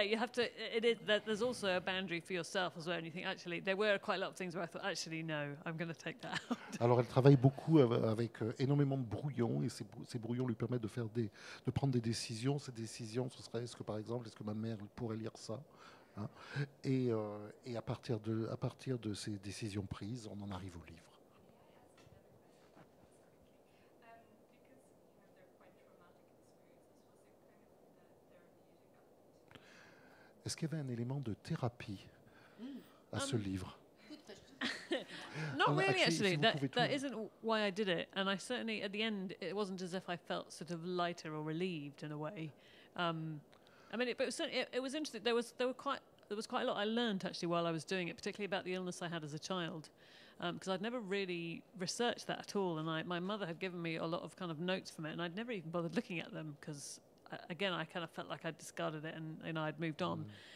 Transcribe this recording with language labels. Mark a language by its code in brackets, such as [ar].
[en] So there's also a boundary for yourself as well, and you think actually there were quite a lot of things where I thought actually no, I'm going to take that out. [fr] Alors elle travaille beaucoup avec énormément de brouillons et ces brouillons lui permettent de prendre des décisions. Ces décisions, ce serait est-ce que ma mère pourrait lire ça. Hein? Et à partir de ces décisions prises, on en arrive au livre. Est-ce qu'il y avait un élément de thérapie à ce livre? [en] Not really, actually. That isn't why I did it. And I certainly, at the end, it wasn't as if I felt sort of lighter or relieved in a way. It was interesting. There was quite a lot I learned actually while I was doing it, particularly about the illness I had as a child, because I'd never really researched that at all. And my mother had given me a lot of kind of notes from it, and I'd never even bothered looking at them because, again, I kind of felt like I'd discarded it and I'd moved on.